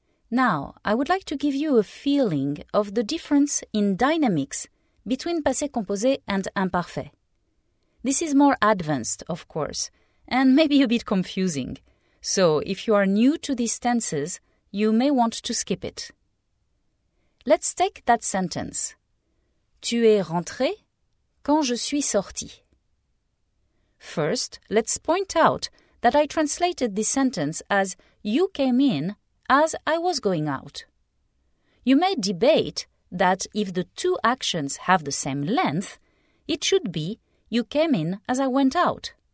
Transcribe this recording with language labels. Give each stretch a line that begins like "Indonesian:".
English: Now, I would like to give you a feeling of the difference in dynamics between passé composé and imparfait. This is more advanced, of course, and maybe a bit confusing. So, if you are new to these tenses, you may want to skip it. Let's take that sentence.
French: Tu es rentré quand je suis sorti.
English: First, let's point out that I translated this sentence as you came in as I was going out. You may debate that if the two actions have the same length, it should be you came in as I went out.